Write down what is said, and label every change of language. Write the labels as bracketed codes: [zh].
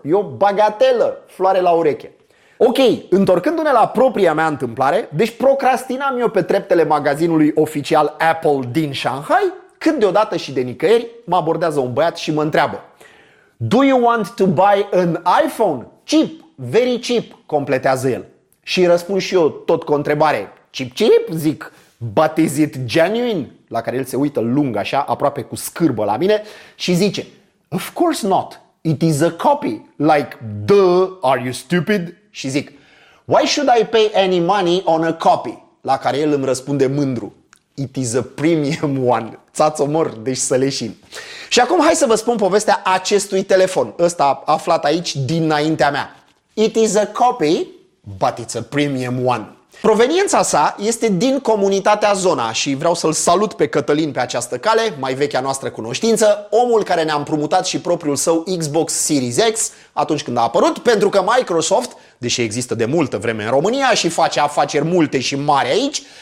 [ro] E o bagatelă, floare la ureche. Ok, întorcându-ne la propria mea întâmplare, deci procrastinam eu pe treptele magazinului oficial Apple din Shanghai, când deodată și de nicăieri mă abordează un băiat și mă întreabă: [en] "Do you want to buy an iPhone? Cheap, very cheap," completează el. [ro] Și răspund și eu tot cu o întrebare: [en] "Cheap, cheap?" [ro] zic, [en] "but is it genuine?" [ro] La care el se uită lung așa, aproape cu scârbă la mine și zice: [en] "Of course not, it is a copy, like, duh, are you stupid?" [ro] Și zic: [en] "Why should I pay any money on a copy?" [ro] La care el îmi răspunde mândru: [en] "It is a premium one." [ro] Ți-ați omor, deci să leșin. Și acum hai să vă spun povestea acestui telefon, ăsta aflat aici dinaintea mea. [en] It is a copy, but it's a premium one. [ro] Proveniența sa este din comunitatea Zona și vreau să-l salut pe Cătălin pe această cale, mai vechea noastră cunoștință, omul care ne-a împrumutat și propriul său Xbox Series X atunci când a apărut, pentru că Microsoft, deși există de multă vreme în România și face afaceri multe și mari aici,